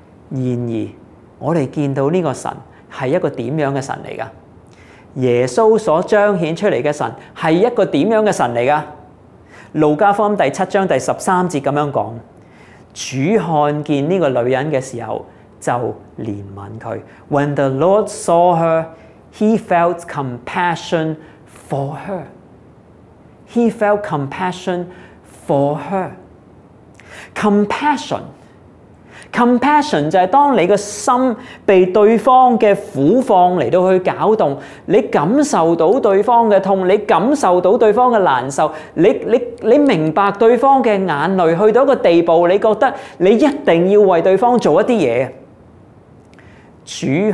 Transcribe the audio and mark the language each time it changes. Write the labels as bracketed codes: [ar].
[zh] 然而我們見到這個神是一個怎樣的神來的？耶穌所彰顯出來的神是一個怎樣的神來的？路加福音第七章第十三节这样讲：主看见这个女人的时候就怜悯她。 [en] When the Lord saw her, he felt compassion for her. He felt compassion for her. [zh] Compassion 就是当你的心被对方的苦况来到去搅动，你感受到对方的痛，你感受到对方的难受， 你明白对方的眼泪去到一个地步，你觉得你一定要为对方做一些事。